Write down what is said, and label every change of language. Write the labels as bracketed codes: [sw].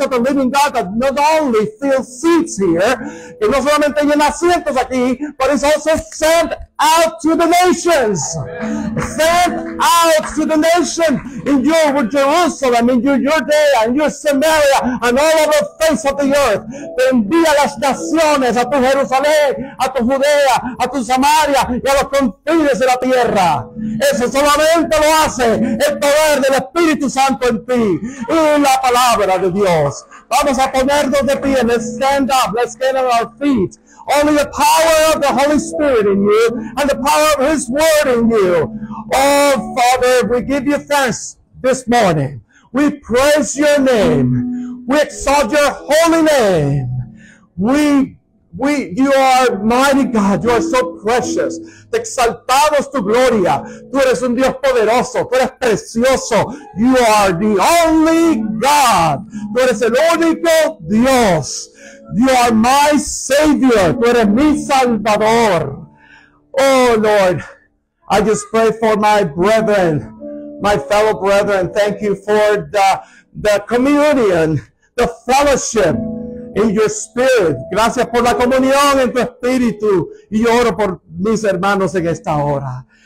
[en] of the living God that not only fills seats here, [es] que no solamente llena asientos aquí, [en] but is also sent out to the nations. Amen. Sent out to the nation in your Jerusalem, in your Judea, in your Samaria, and all over the face of the earth. [es] Te envía a las naciones, a tu Jerusalén, a tu Judea, a tu Samaria, y a los confines de la tierra. Eso solamente lo hace el poder del Espíritu Santo en ti y la palabra de Dios. Vamos a ponernos de pie. [en] Let's stand up. Let's get on our feet. Only the power of the Holy Spirit in you and the power of His Word in you. Oh, Father, we give you thanks this morning. We praise your name. We exalt your holy name. You are mighty God. You are so precious. [es] Te exaltamos tu gloria. Tú eres un Dios poderoso. Tú eres precioso. [en] You are the only God. [es] Tú eres el único Dios. [en] You are my Savior. [es] Tú eres mi Salvador. [en] Oh, Lord, I just pray for my brethren, my fellow brethren. Thank you for the communion, the fellowship in your spirit. [es] Gracias por la comunión en tu espíritu. Y oro por mis hermanos en esta hora.